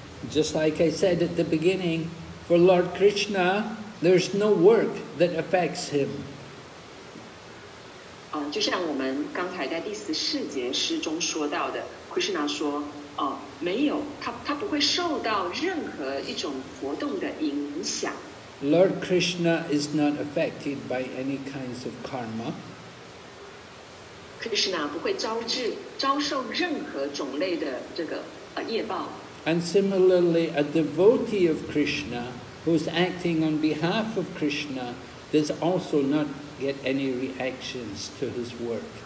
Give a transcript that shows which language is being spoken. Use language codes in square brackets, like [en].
[en] Just like I said at the beginning, for Lord Krishna, there's no work that affects him. [zh] 就像我们刚才在第十四节诗中说到的，奎师那说。没有，他不会受到任何一种活动的影响。 [en] Lord Krishna is not affected by any kinds of karma. [zh] Krishna 不会遭受任何种类的这个业报。 [en] And similarly, a devotee of Krishna who is acting on behalf of Krishna does also not get any reactions to his work.